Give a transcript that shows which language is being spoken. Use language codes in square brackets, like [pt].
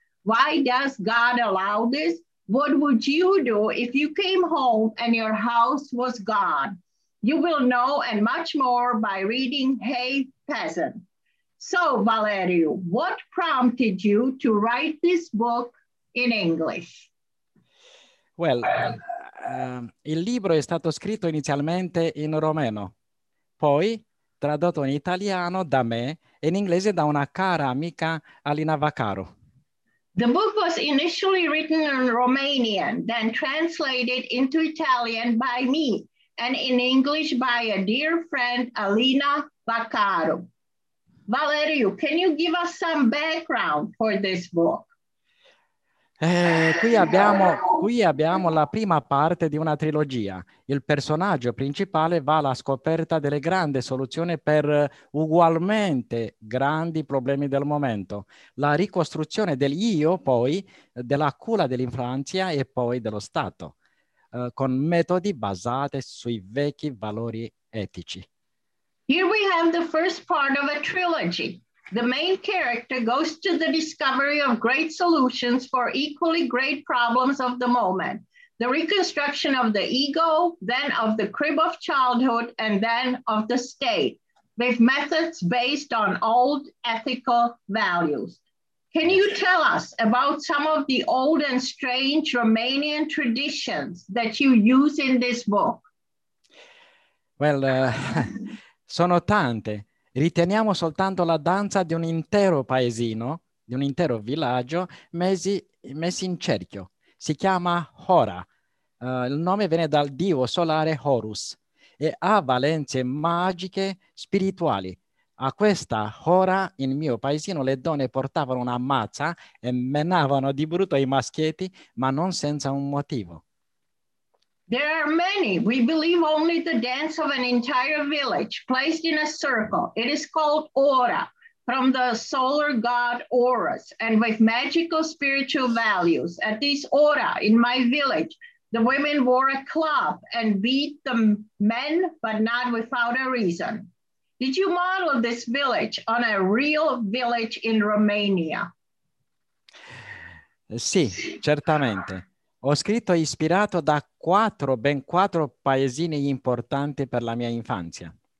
[en] Why does God allow this? What would you do if you came home and your house was gone? You will know and much more by reading Hey Peasant. So, Valeriu, what prompted you to write this book in English? [it] Well, il libro è stato scritto inizialmente in romeno, poi tradotto in italiano da me e in inglese da una cara amica, Alina Vaccaro. [en] The book was initially written in Romanian, then translated into Italian by me, and in English by a dear friend, Alina Vaccaro. Valeriu, can you give us some background for this book? [it] Qui abbiamo la prima parte di una trilogia. Il personaggio principale va alla scoperta delle grandi soluzioni per ugualmente grandi problemi del momento. La ricostruzione del io, poi, della culla dell'infanzia e poi dello Stato, con metodi basati sui vecchi valori etici. [en] Here we have the first part of a trilogy. The main character goes to the discovery of great solutions for equally great problems of the moment. The reconstruction of the ego, then of the crib of childhood, and then of the state, with methods based on old ethical values. Can you tell us about some of the old and strange Romanian traditions that you use in this book? [it] Well, sono tante. Riteniamo soltanto la danza di un intero paesino, di un intero villaggio, messi in cerchio. Si chiama Hora. Il nome viene dal dio solare Horus e ha valenze magiche spirituali. A questa Hora, in mio paesino, le donne portavano una mazza e menavano di brutto i maschietti, ma non senza un motivo. [en] There are many. We believe only the dance of an entire village placed in a circle. It is called Ora, from the solar god Horus, and with magical spiritual values. At this Ora, in my village, the women wore a club and beat the men, but not without a reason. Did you model this village on a real village in Romania? [it] Sì, certamente. Ho scritto ispirato da ben quattro paesini importanti per la mia infanzia.